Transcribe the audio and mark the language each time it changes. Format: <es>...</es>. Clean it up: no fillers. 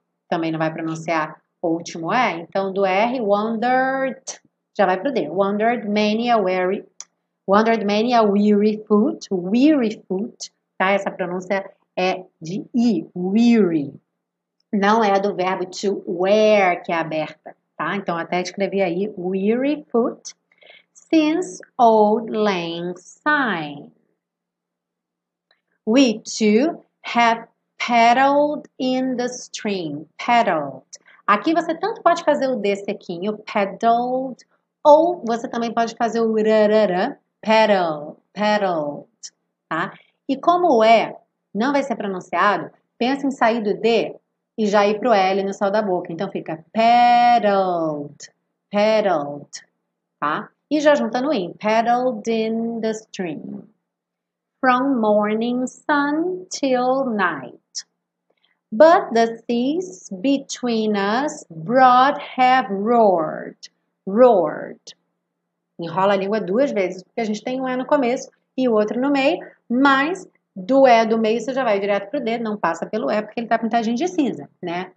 <pt>Também não vai pronunciar o último E. Então, do R, wandered. Já vai pro D.</pt> <en>Wandered many a weary. Wandered many a weary foot. Weary foot.</en> <pt>Tá? Essa pronúncia é de I.</pt> <en>Weary.</en> <pt>Não é do verbo to wear que é aberta. Tá? Então, até escrevi aí.</pt> <en>Weary foot. Since auld lang syne. We too have paddled in the stream. Paddled.</en> <pt>Aqui você tanto pode fazer o D sequinho, paddled, ou você também pode fazer o rarara,</pt> <en>paddle, paddled,</en> <pt>tá? E como o E não vai ser pronunciado, pensa em sair do D e já ir pro L no céu da boca. Então fica</pt> <en>paddled, paddled,</en> <pt>tá? E já juntando em,</pt> <en>paddled in the stream. From morning sun till night. But the seas between us broad have roared, roared.</en> <pt>Enrola a língua duas vezes, porque a gente tem um E no começo e o outro no meio, mas do E do meio você já vai direto pro D, não passa pelo E, porque ele tá pintadinho de cinza, né?</pt>